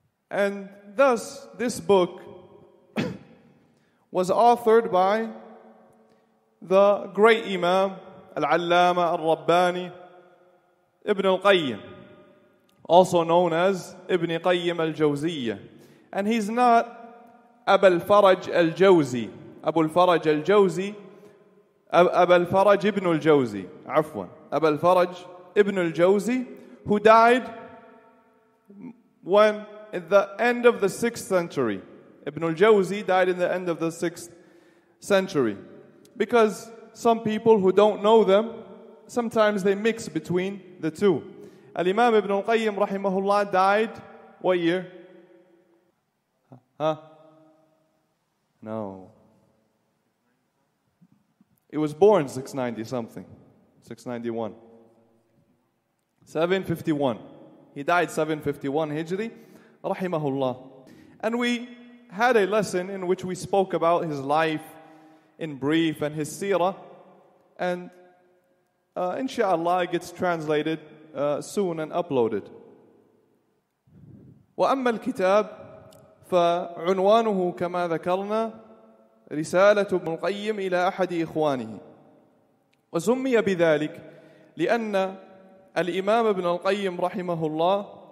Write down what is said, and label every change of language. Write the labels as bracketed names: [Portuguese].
[English] And thus, this book was authored by the great Imam al-Allama al-Rabbani Ibn al-Qayyim, also known as Ibn Qayyim al-Jawziyyah. And he's not [Arabic] أبا الفرج الجوزي، أبو الفرج الجوزي، أبا الفرج ابن الجوزي، عفوا، أبا الفرج ابن الجوزي، [English] who died when at the end of the 6th century. ابن الجوزي died in the end of the 6th century. Because some people who don't know them, sometimes they mix between the two. الإمام ابن القيم رحمه الله died what year? No. He was born 690 something. 691. 751. He died 751 Hijri. Rahimahullah. And we had a lesson in which we spoke about his life in brief and his seerah. And inshallah, it gets translated soon and uploaded. [Arabic] وأما الكتاب فعنوانه كما ذكرنا رسالة ابن القيم إلى أحد إخوانه، وسمي بذلك لأن الإمام ابن القيم رحمه الله